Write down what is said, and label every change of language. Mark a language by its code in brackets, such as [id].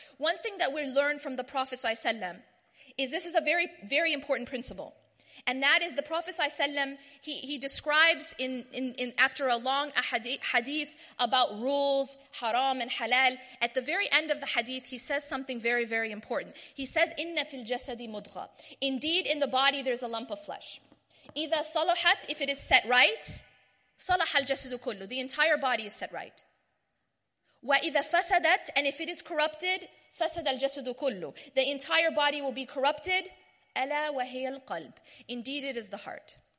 [en] One thing that we learn from the Prophet ﷺ is this is a very, very important principle. And that is the Prophet ﷺ, he describes in after a long hadith about rules, haram and halal, at the very end of the hadith, he says something very, very important. He says, [ar] إِنَّ فِي الْجَسَدِ مُضْغَى. [en] Indeed, in the body, there's a lump of flesh. [ar] إِذَا صَلَحَتْ, [en] if it is set right, [ar] صَلَحَ الْجَسَدُ كُلُّ. [en] The entire body is set right. [ar] وَإِذَا فَسَدَتْ, [en] and if it is corrupted, [ar] فَسَدَ الْجَسَدُ كُلُّ. [en] The entire body will be corrupted. [ar] أَلَا وَهِيَ الْقَلْبِ. [en] Indeed, it is the heart.